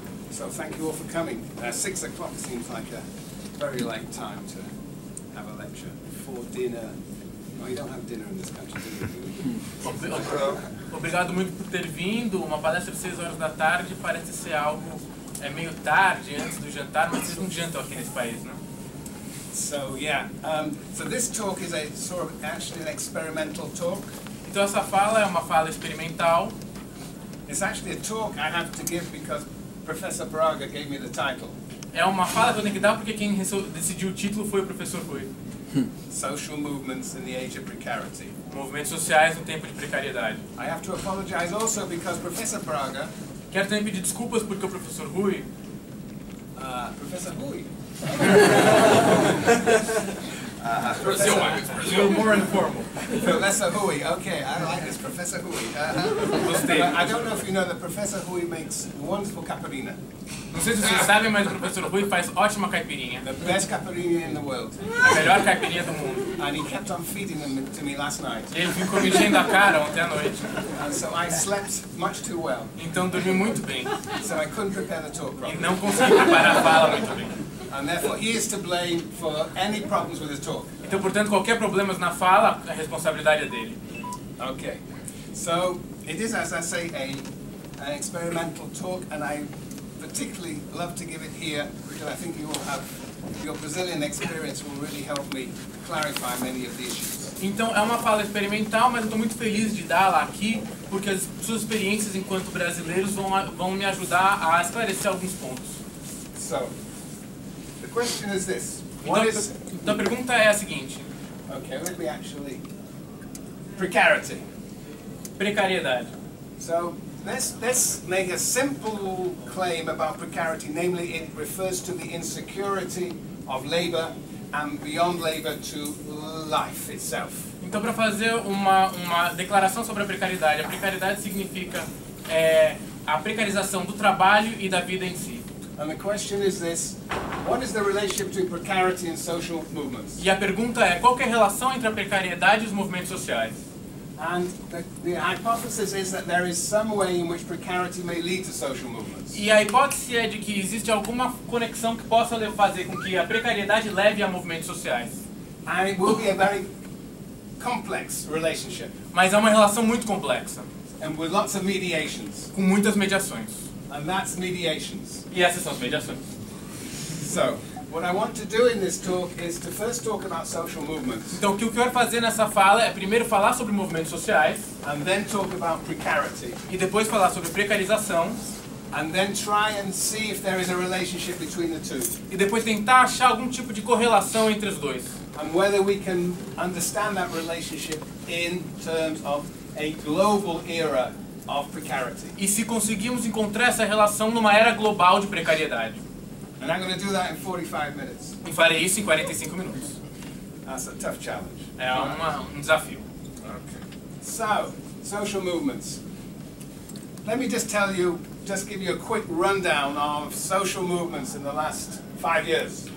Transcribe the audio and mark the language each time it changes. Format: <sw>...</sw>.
<en>So thank you all for coming. 6 o'clock seems like a very late time to have a lecture before dinner. Well, you don't have dinner in this country, do you?</en> <pt>Obrigado muito por ter vindo. Uma palestra às 6 horas da tarde parece ser algo meio tarde antes do jantar, mas vocês não jantam aqui nesse país, né?</pt> <en>So yeah. So this talk is a sort of actually an experimental talk.</en> <pt>Então essa fala é uma fala experimental.</pt> <en>It's actually a talk I have to give because Professor Braga gave me the title.</en> <pt>É uma fala que eu tenho que dar porque quem decidiu o título foi o professor Rui.</pt> <en>Social movements in the age of precarity.</en> <pt>Movimentos sociais no tempo de precariedade.</pt> <en>I have to apologize also because Professor Braga.</en> <pt>Quero também pedir desculpas porque o professor Rui.</pt> <en>Professor Rui. Brazil, more informal. Professor Hui, okay, I like this. Professor Hui. I don't know if you know that Professor Hui makes wonderful caipirinha.</en> <pt>Não sei se vocês sabem, mas o professor Hui faz ótima caipirinha.</pt> <en>The best caipirinha in the world.</en> <pt>A melhor caipirinha do mundo.</pt> <en>And he kept on feeding them to me last night.</en> <pt>Ele ficou me enchendo a cara ontem à noite.</pt> <en>And so I slept much too well.</en> <pt>Então dormi muito bem.</pt> <en>So I couldn't prepare the talk properly.</en> <pt>E não consegui preparar a fala muito bem.</pt> <en>And therefore, he is to blame for any problems with his talk.</en> <pt>Então, portanto, qualquer problema na fala, a responsabilidade é dele.</pt> <en>Okay. So, it is, as I say, an experimental talk, and I particularly love to give it here, because I think you will have your Brazilian experience will really help me clarify many of the issues.</en> <pt>Então, é uma fala experimental, mas eu estou muito feliz de dá-la aqui, porque as suas experiências enquanto brasileiros vão me ajudar a esclarecer alguns pontos.</pt> <en>So, the question is this.</en> <pt>Então, a pergunta é a seguinte.</pt> <en>Okay, let me actually. Precarity.</en> <pt>Precariedade.</pt> <en>So, let's make a simple claim about precarity, namely it refers to the insecurity of labor and beyond labor to life itself.</en> <pt>Então, para fazer uma declaração sobre a precariedade significa a precarização do trabalho e da vida em si.</pt> <en>And the question is this: what is the relationship between precarity and social movements?</en> <pt>E a pergunta é: qual que é a relação entre a precariedade e os movimentos sociais?</pt> <en>And the hypothesis is that there is some way in which precarity may lead to social movements.</en> <pt>E a hipótese é de que existe alguma conexão que possa fazer com que a precariedade leve a movimentos sociais.</pt> <en>And it will be a very complex relationship.</en> <pt>Mas é uma relação muito complexa.</pt> <en>And with lots of mediations.</en> <pt>Com muitas mediações.</pt> <en>And that's mediations.</en> <pt>E essas são as mediações.</pt> <en>So, what I want to do in this talk is to first talk about social movements.</en> <pt>Então, o que eu quero fazer nessa fala é primeiro falar sobre movimentos sociais.</pt> <en>And then talk about precarity.</en> <pt>E depois falar sobre precarização.</pt> <en>And then try and see if there is a relationship between the two.</en> <pt>E depois tentar achar algum tipo de correlação entre os dois.</pt> <en>And whether we can understand that relationship in terms of a global era of precarity.</en> <pt>E se conseguimos encontrar essa relação numa era global de precariedade.</pt> <en>And I'm going to do that in 45 minutes.</en> <pt>E farei isso em 45 minutos.</pt> <en>That's a tough challenge.</en> <pt>É um desafio.</pt> <en>Okay. So, social movements. Let me just give you a quick rundown of social movements in the last 5 years.</en>